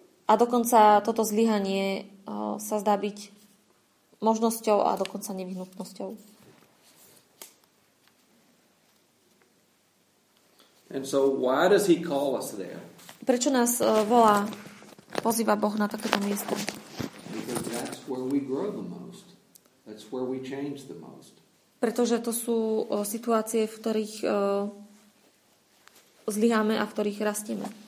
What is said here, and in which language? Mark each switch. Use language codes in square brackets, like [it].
[sk] A dokonca toto zlyhanie sa zdá byť možnosťou a dokonca nevyhnutnosťou. [en] And so why does he call us there? [sk] Prečo nás volá, pozýva Boh na takéto miesto? [en] Because that's where we grow the most. That's where we change the most. [sk] Pretože to sú situácie, v ktorých zlyháme a v ktorých rastieme.